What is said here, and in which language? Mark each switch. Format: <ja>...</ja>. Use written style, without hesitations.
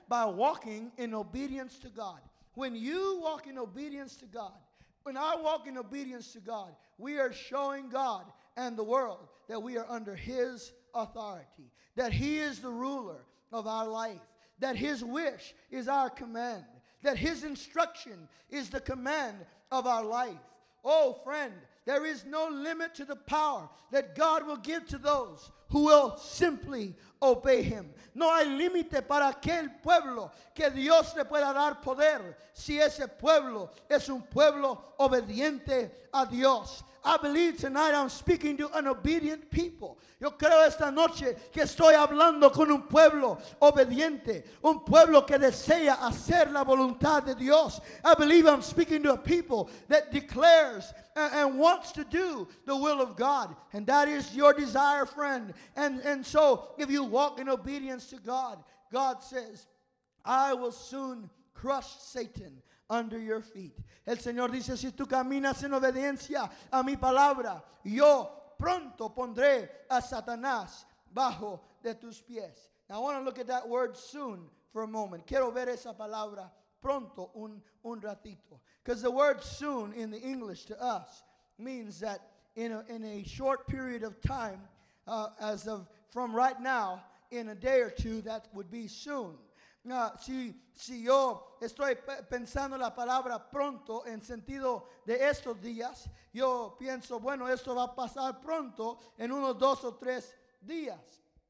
<en>By walking in obedience to God. When you walk in obedience to God, when I walk in obedience to God, we are showing God and the world that we are under his authority, that he is the ruler of our life, that his wish is our command, that his instruction is the command of our life. Oh, friend, there is no limit to the power that God will give to those who will simply obey him.</en> <es>No hay límite para aquel pueblo que Dios le pueda dar poder si ese pueblo es un pueblo obediente a Dios.</es> <en>I believe tonight I'm speaking to an obedient people.</en> <es>Yo creo esta noche que estoy hablando con un pueblo obediente, un pueblo que desea hacer la voluntad de Dios.</es> <en>I believe I'm speaking to a people that declares and wants to do the will of God. And that is your desire, friend. And so if you walk in obedience to God, God says, I will soon crush Satan under your feet.</en> <es>El Señor dice, si tú caminas en obediencia a mi palabra, yo pronto pondré a Satanás bajo de tus pies.</es> <en>Now I want to look at that word soon for a moment.</en> <es>Quiero ver esa palabra pronto un ratito.</es> <en>Because the word soon in the English to us means that in a short period of time, as of from right now, in a day or two, that would be soon.</en> <es>Si yo estoy pensando la palabra pronto en sentido de estos días, yo pienso, bueno, esto va a pasar pronto en unos dos o tres días.</es>